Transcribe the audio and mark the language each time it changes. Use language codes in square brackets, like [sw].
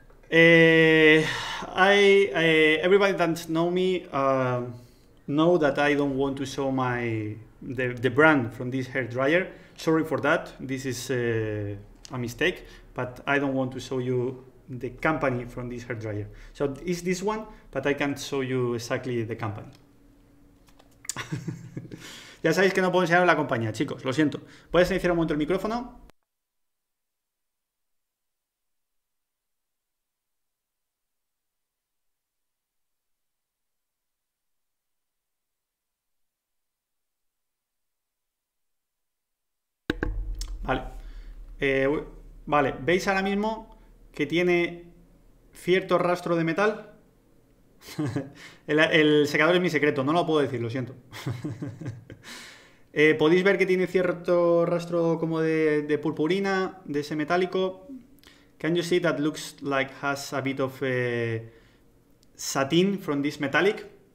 [en] Everybody that know me know that I don't want to show my the brand from this hair dryer. Sorry for that. This is a mistake, but I don't want to show you the company from this hair dryer. So it's this one, but I can't show you exactly the company. [es] Ya sabéis que no puedo enseñar la compañía, chicos, lo siento. ¿Puedes iniciar un momento el micrófono? Vale. Vale, ¿veis ahora mismo que tiene cierto rastro de metal? El secador es mi secreto, no lo puedo decir, lo siento. ¿Podéis ver que tiene cierto rastro como de purpurina, de ese metálico? [en] Can you see that looks like has a bit of satin from this metallic?